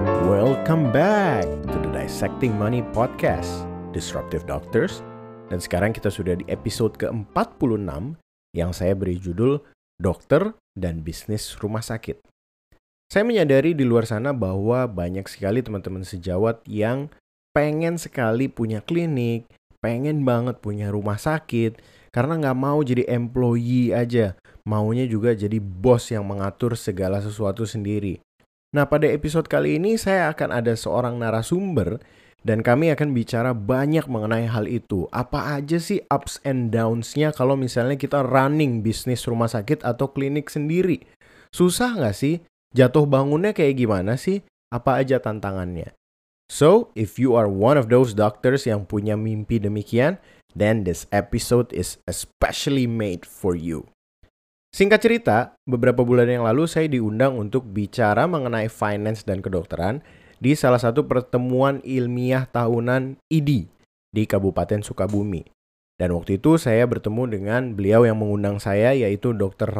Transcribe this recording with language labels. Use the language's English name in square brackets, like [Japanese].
[English] Welcome back to the Dissecting Money podcast, Disruptive Doctors. [Indonesian] Dan sekarang kita sudah di episode ke-46 yang saya beri judul Dokter dan Bisnis Rumah Sakit. Saya menyadari di luar sana bahwa banyak sekali teman-teman sejawat yang pengen sekali punya klinik, pengen banget punya rumah sakit, karena nggak mau jadi employee aja, maunya juga jadi bos yang mengatur segala sesuatu sendiri. Nah, pada episode kali ini saya akan ada seorang narasumber dan kami akan bicara banyak mengenai hal itu. Apa aja sih [English] ups and downs- [Indonesian] nya kalau misalnya kita running bisnis rumah sakit atau klinik sendiri? Susah nggak sih? Jatuh bangunnya kayak gimana sih? Apa aja tantangannya? [English] So, if you are one of those doctors [Indonesian] yang punya mimpi demikian, [English] then this episode is especially made for you. [Indonesian] Singkat cerita, beberapa bulan yang lalu saya diundang untuk bicara mengenai finance dan kedokteran di salah satu pertemuan ilmiah tahunan IDI di Kabupaten Sukabumi. Dan waktu itu saya bertemu dengan beliau yang mengundang saya, yaitu Dr.